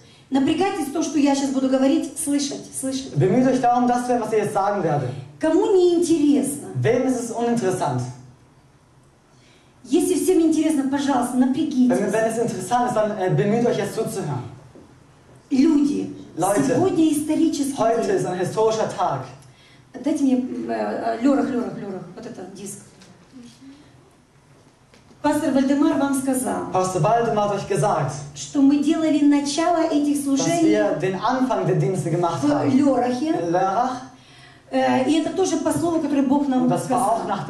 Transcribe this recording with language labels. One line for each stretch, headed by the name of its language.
Russian: Напрягайтесь то, что я сейчас буду говорить, слышать.
German: Bemüht euch darum, das, was ihr jetzt sagen werdet.
Russian: Кому не интересно?
German: Wem ist es uninteressant?
Russian: Если всем интересно, пожалуйста, напрягитесь.
German: Wenn es interessant ist, dann bemüht euch jetzt zuzuhören.
Russian: Люди,
German: Leute,
Russian: сегодня исторический день.
German: Ist ein historischer Tag.
Russian: Дайте мне Лёрах, вот этот диск. Пастор Вальдемар вам сказал,
German: Pastor Waldemar hat euch gesagt,
Russian: что мы делали начало этих служений,
German: dass wir den Anfang der Dienste gemacht haben.
Russian: Лёрах. И это тоже по слову, которое Бог нам сказал.